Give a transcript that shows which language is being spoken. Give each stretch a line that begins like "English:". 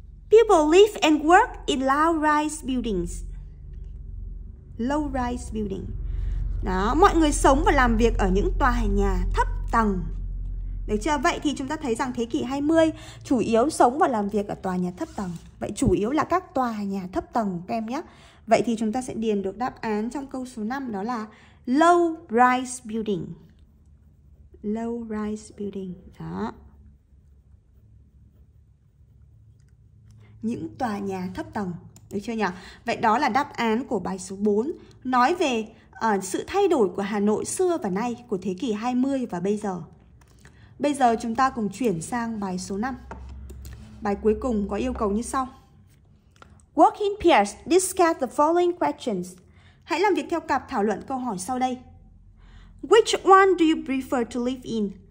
English: People live and work in low-rise buildings. Low-rise building.
Vietnamese: Đó, mọi người sống và làm việc ở những tòa nhà thấp tầng. Được chưa? Vậy thì chúng ta thấy rằng thế kỷ 20 chủ yếu sống và làm việc ở tòa nhà thấp tầng. Vậy chủ yếu là các tòa nhà thấp tầng, các em nhé. Vậy thì chúng ta sẽ điền được đáp án trong câu số 5, đó là
English: low-rise building. Low-rise building,
Vietnamese: đó. Những tòa nhà thấp tầng, được chưa nhỉ? Vậy đó là đáp án của bài số 4, nói về sự thay đổi của Hà Nội xưa và nay, của thế kỷ 20 và bây giờ. Bây giờ chúng ta cùng chuyển sang bài số 5. Bài cuối cùng có yêu cầu như sau.
English: Working pairs, discuss the following questions.
Vietnamese: Hãy làm việc theo cặp thảo luận câu hỏi sau đây.
English: Which one do you prefer to live in?